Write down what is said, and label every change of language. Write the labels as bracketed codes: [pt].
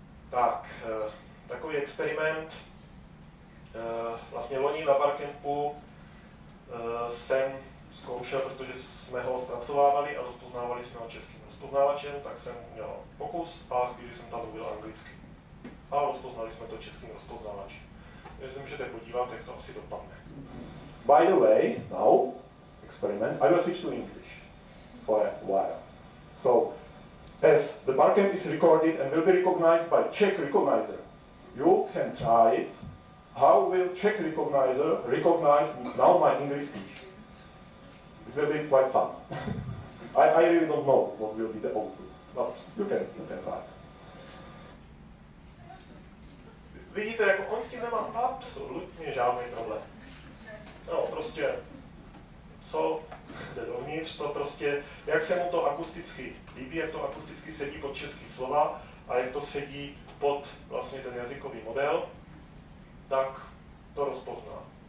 [cs] Tak, takový experiment. Vlastně loni na Barcampu jsem zkoušel, protože jsme ho zpracovávali a rozpoznávali jsme ho českým rozpoznávačem, tak jsem měl pokus a chvíli jsem tam mluvil anglicky. A rozpoznali jsme to českým rozpoznávačem. Takže se můžete podívat, jak to asi dopadne. [en] By the way, now, experiment, I will switch to English for a while. So, as the Barcamp is recorded and will be recognized by Czech Recognizer, you can try it. How will Czech Recognizer recognize now my English speech? It will be quite fun. I really don't know what will be the output, but you can try. [cs] Vidíte, jako on s tím nemá absolutně žádný problém. No, prostě, co jde dovnitř, to prostě, jak se mu to akusticky líbí, jak to akusticky sedí pod český slova a jak to sedí pod vlastně ten jazykový model, tak to rozpozná.